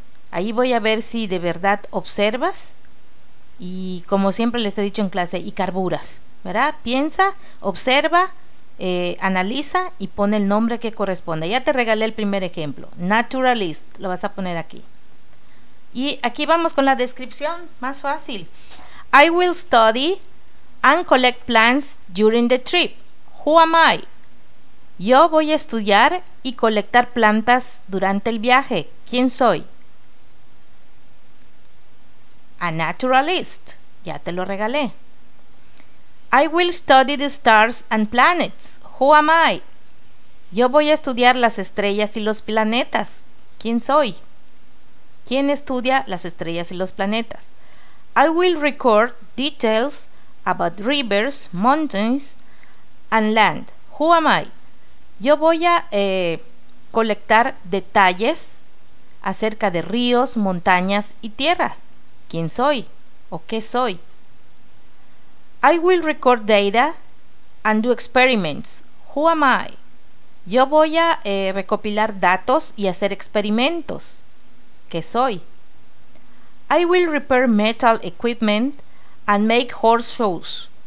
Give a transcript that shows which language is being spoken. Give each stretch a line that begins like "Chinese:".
Spanish: Ahí voy a ver si de verdad observas y, como siempre les he dicho en clase, y carburas, ¿verdad? Piensa, observa, analiza y pone el nombre que corresponda. Ya te regalé el primer ejemplo. Naturalist, lo vas a poner aquí. Y aquí vamos con la descripción, más fácil.
English: I will study and collect plants during the trip. Who am I?
Spanish: Yo voy a estudiar y colectar plantas durante el viaje. ¿Quién soy?
English: A naturalist.
Spanish: Ya te lo regalé.
English: I will study the stars and planets. Who am I?
Spanish: Yo voy a estudiar las estrellas y los planetas. ¿Quién soy? ¿Quién estudia las estrellas y los planetas?
English: I will record details about rivers, mountains, and land. Who am I?
Spanish: Yo voy a colectar detalles acerca de ríos, montañas y tierra. ¿Quién soy o qué soy?
English: I will record data and do experiments. Who am I?
Spanish: Yo voy a recopilar datos y hacer experimentos. ¿Qué soy?
English: I will repair metal equipment and make horse shows.